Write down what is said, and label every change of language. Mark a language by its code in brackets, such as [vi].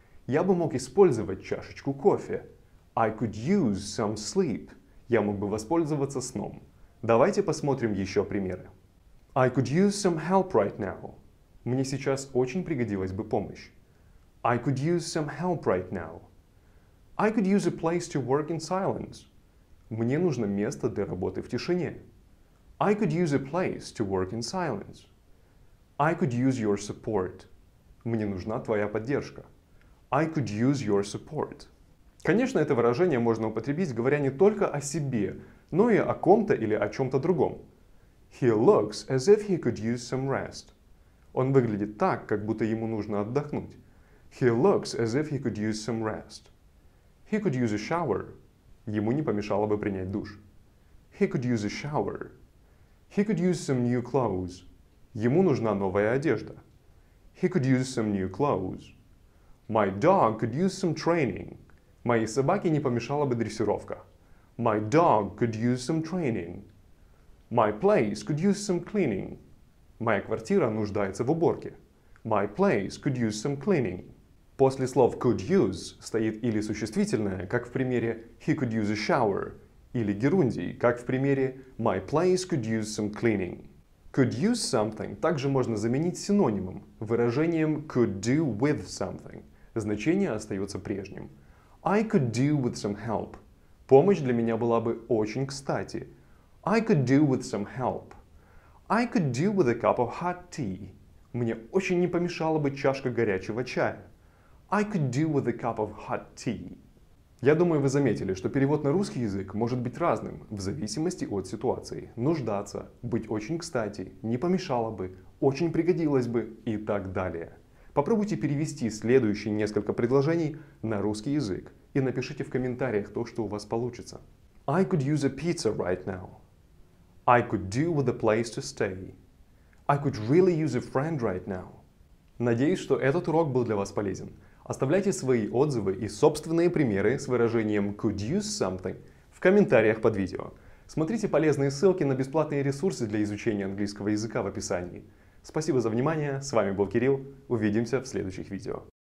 [ru] Я бы мог использовать чашечку кофе. [en] I could use some sleep. [ru] Я мог бы воспользоваться сном. Давайте посмотрим еще примеры. [en] I could use some help right now. [ru] Мне сейчас очень пригодилась бы помощь. [en] I could use some help right now. I could use a place to work in silence. [ru] Мне нужно место для работы в тишине. [en] I could use a place to work in silence. I could use your support. [ru] Мне нужна твоя поддержка. [en] I could use your support. [ru] Конечно, это выражение можно употребить, говоря не только о себе, но и о ком-то или о чем-то другом. [en] He looks as if he could use some rest. [ru] Он выглядит так, как будто ему нужно отдохнуть. [en] He looks as if he could use some rest. He could use a shower. [ru] Ему не помешало бы принять душ. [en] He could use a shower. He could use some new clothes. [ru] Ему нужна новая одежда. [en] He could use some new clothes. My dog could use some training. [ru] Моей собаке не помешала бы дрессировка. [en] My dog could use some training. My place could use some cleaning. [ru] Моя квартира нуждается в уборке. [en] My place could use some cleaning. [ru] После слов could use стоит или существительное, как в примере [en] he could use a shower, [ru] или герундий, как в примере [en] my place could use some cleaning. [ru] Could use something также можно заменить синонимом, выражением could do with something. Значение остается прежним. [en] I could do with some help. [ru] Помощь для меня была бы очень кстати. [en] I could do with some help. I could do with a cup of hot tea. [ru] Мне очень не помешала бы чашка горячего чая. [en] I could do with a cup of hot tea. [ru] Я думаю, вы заметили, что перевод на русский язык может быть разным в зависимости от ситуации. Нуждаться, быть очень кстати, не помешало бы, очень пригодилось бы и так далее. Попробуйте перевести следующие несколько предложений на русский язык и напишите в комментариях то, что у вас получится. [en] I could use a pizza right now. I could do with a place to stay. I could really use a friend right now. [ru] Надеюсь, что этот урок был для вас полезен. Оставляйте свои отзывы и собственные примеры с выражением could use something в комментариях под видео. Смотрите полезные ссылки на бесплатные ресурсы для изучения английского языка в описании. Спасибо за внимание, с вами был Кирилл, увидимся в следующих видео.